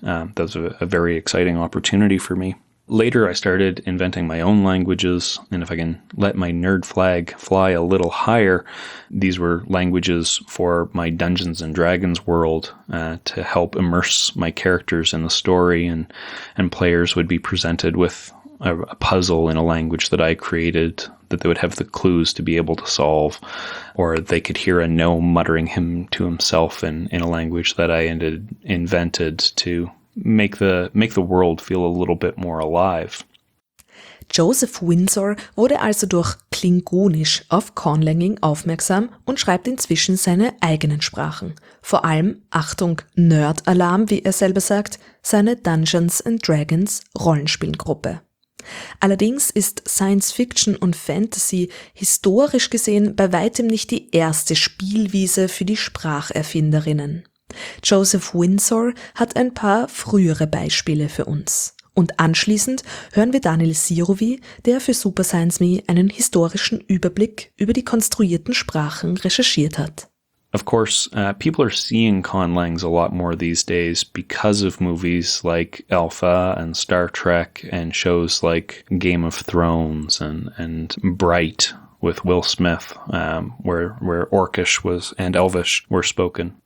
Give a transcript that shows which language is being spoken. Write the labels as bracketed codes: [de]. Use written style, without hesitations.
[en] That was a very exciting opportunity for me. Later, I started inventing my own languages, and if I can let my nerd flag fly a little higher, these were languages for my Dungeons & Dragons world to help immerse my characters in the story, and players would be presented with a puzzle in a language that I created that they would have the clues to be able to solve, or they could hear a gnome muttering him to himself in a language that I invented to make the world feel a little bit more alive. [de] Joseph Windsor wurde also durch Klingonisch auf Conlanging aufmerksam und schreibt inzwischen seine eigenen Sprachen. Vor allem, Achtung, Nerd-Alarm, wie er selber sagt, seine Dungeons and Dragons Rollenspielgruppe. Allerdings ist Science Fiction und Fantasy historisch gesehen bei weitem nicht die erste Spielwiese für die Spracherfinderinnen. Joseph Windsor hat ein paar frühere Beispiele für uns. Und anschließend hören wir Daniel Sirovi, der für Super Science Me einen historischen Überblick über die konstruierten Sprachen recherchiert hat. [en] Of course, people are seeing conlangs a lot more these days because of movies like Alpha and Star Trek and shows like Game of Thrones and Bright with Will Smith, where Orcish was and Elvish were spoken.